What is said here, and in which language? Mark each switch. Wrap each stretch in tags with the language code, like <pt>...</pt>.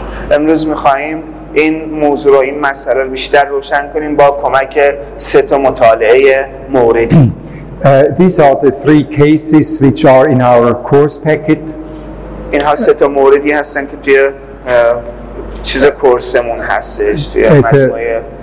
<fa>امروز می‌خوایم این موضوع رو، این مسئله رو بیشتر روشن کنیم با کمک سه تا مطالعه موردی.</fa> <en>These are the three cases which are in our course packet.</en> <fa>اینها سه تا موردی هستن که توی چیز کورسمون هستش توی مجموعه</fa>